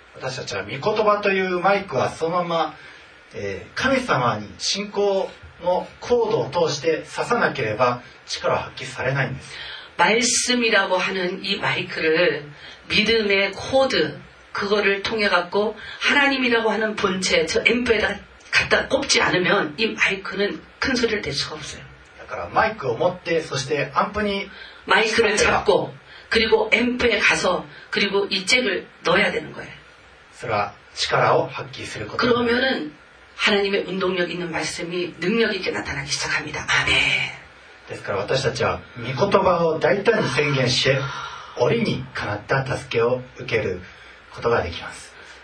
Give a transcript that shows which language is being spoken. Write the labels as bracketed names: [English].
[Japanese] 私たちは御言葉というマイクはそのまま、神様に信仰のコードを通して挿さなければ力は発揮されないんです。 [Korean] 말씀이라고하는이마이크를믿음의코드그거를통해갖고하나님이라고하는본체저앰프에다갖다꼽지않으면이마이크는큰소리를낼수가없어요 그러니까마이크를 [Japanese] 持ってそして [Korean] 앰프に 마이크를잡고그리고앰프에가서그리고이잭을넣어야되는거예요 [Japanese] それは力を発揮することです [Korean] 그러면은하나님의운동력있는말씀이능력있게나타나기시작합니다아멘 [Japanese] ですから私たちは御言葉を大胆に宣言して折にかなった助けを受けることができます